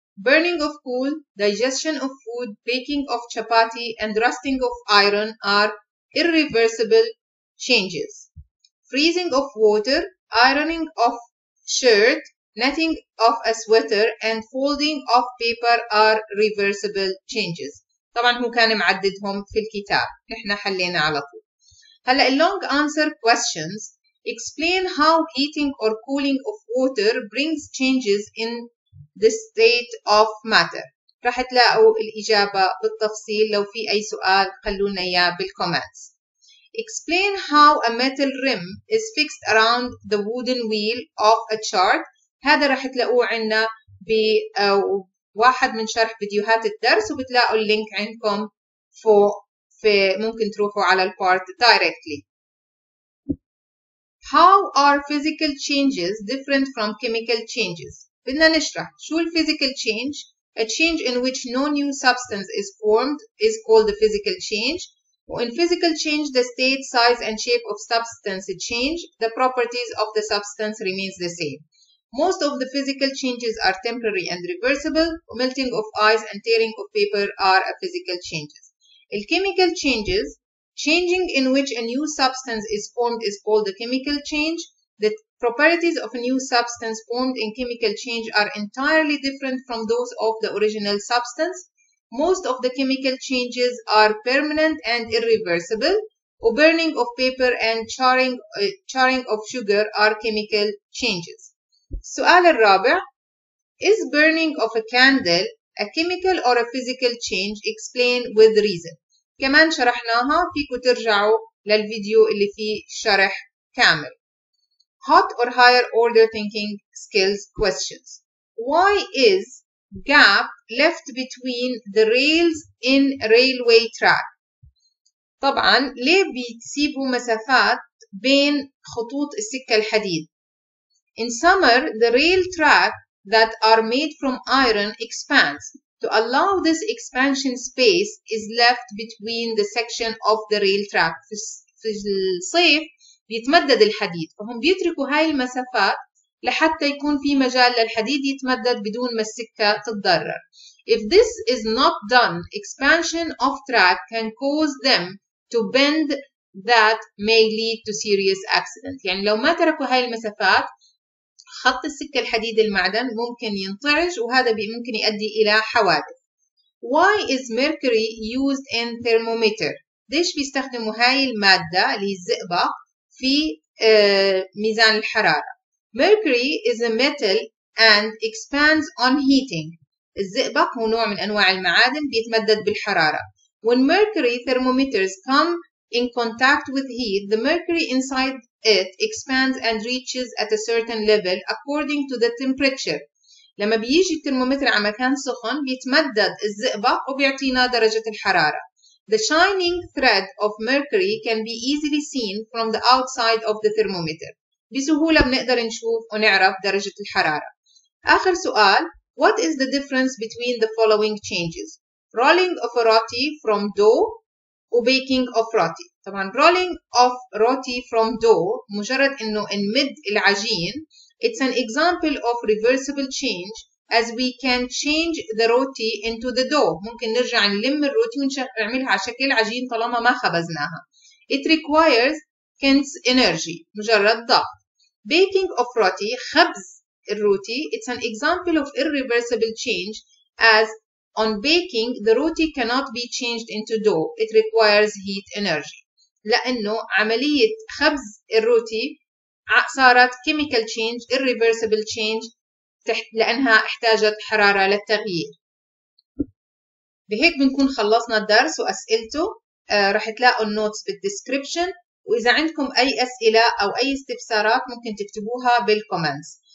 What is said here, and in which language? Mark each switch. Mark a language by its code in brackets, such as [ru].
[en] Burning of coal, digestion of food, baking of chapati, and rusting of iron are irreversible changes. Freezing of water, ironing of shirt, netting of a sweater and folding of paper are reversible changes. [ar] طبعا هو كان معددهم في الكتاب. نحن حلينا على طول. [en] هلا long answer questions. Explain how heating or cooling of water brings changes in the state of matter. [ar] راح تلاقوا الإجابة بالتفصيل. لو في أي سؤال خلونا إياه بالكومنتس. [en] Explain how a metal rim is fixed around the wooden wheel of a chart. [ar] هذا راح تلاقوه عنا بواحد من شرح فيديوهات الدرس وبتلاقوا اللينك عندكم فوق في ممكن تروحوا على البارت directly. [en] How are physical changes different from chemical changes? [ar] بدنا نشرح شو الphysical change. [en] A change in which no new substance is formed is called a physical change. In physical change, the state, size and shape of substance change. The properties of the substance remains the same. Most of the physical changes are temporary and reversible. Melting of ice and tearing of paper are a physical changes. El chemical changes, changing in which a new substance is formed is called a chemical change. The properties of a new substance formed in chemical change are entirely different from those of the original substance. Most of the chemical changes are permanent and irreversible. Burning of paper and charring of sugar are chemical changes. [ar] سؤال الرابع, [en] is burning of a candle a chemical or a physical change? Explain with reason. [ar] كمان شرحناها, فيكم ترجعوا للفيديو اللي فيه شرح كامل. [en] Hot or higher order thinking skills questions. Why is gap left between the rails in railway track? [ar] طبعا ليه بيسيبوا مسافات بين خطوط السكة الحديد؟ [en] In summer, the rail track that are made from iron expands. To allow this expansion space is left between the section of the rail track. [ar] في الصيف بيتمدد الحديد فهم بيتركوا هاي المسافات لحتى يكون في مجال للحديد يتمدد بدون ما السكة تتضرر. [en] If this is not done, expansion of track can cause them to bend that may lead to serious accident. [ar] يعني لو ما تركوا هاي المسافات خط السكة الحديد المعدن ممكن ينطعش وهذا ممكن يؤدي إلى حوادث. [en] Why is mercury used in thermometer? [ar] ليش بيستخدموا هاي المادة اللي هي الزئبق في ميزان الحرارة؟ [en] Mercury is a metal and expands on heating. [ar] الزئبق هو نوع من أنواع المعادن بيتمدد بالحرارة. [en] When mercury thermometers come in contact with heat, the mercury inside it expands and reaches at a certain level according to the temperature. [ar] لما بيجي الترمومتر على مكان سخن بيتمدد الزئبق وبيعطينا درجة الحرارة. [en] The shining thread of mercury can be easily seen from the outside of the thermometer. [ar] بسهولة بنقدر نشوف ونعرف درجة الحرارة. آخر سؤال, [en] what is the difference between the following changes? Rolling of a roti from dough or baking of roti? [ar] طبعا [en] rolling of roti from dough [ar] مجرد انه نمد العجين. [en] It's an example of reversible change as we can change the roti into the dough. [ar] ممكن نرجع نلم الروتي ونعملها على شكل عجين طالما ما خبزناها. [en] It requires kinetic energy, [ar] مجرد ضغط. [en] Baking of roti, [ar] خبز الروتي, [en] it's an example of irreversible change as on baking the roti cannot be changed into dough. It requires heat energy. [ar] لأنه عملية خبز الروتي صارت [en] chemical change, irreversible change, [ar] لأنها احتاجت حرارة للتغيير. بهيك بنكون خلصنا الدرس وأسئلته. رح تلاقوا النوتس بالدسكريبشن, وإذا عندكم أي أسئلة أو أي استفسارات ممكن تكتبوها بالكومنتس.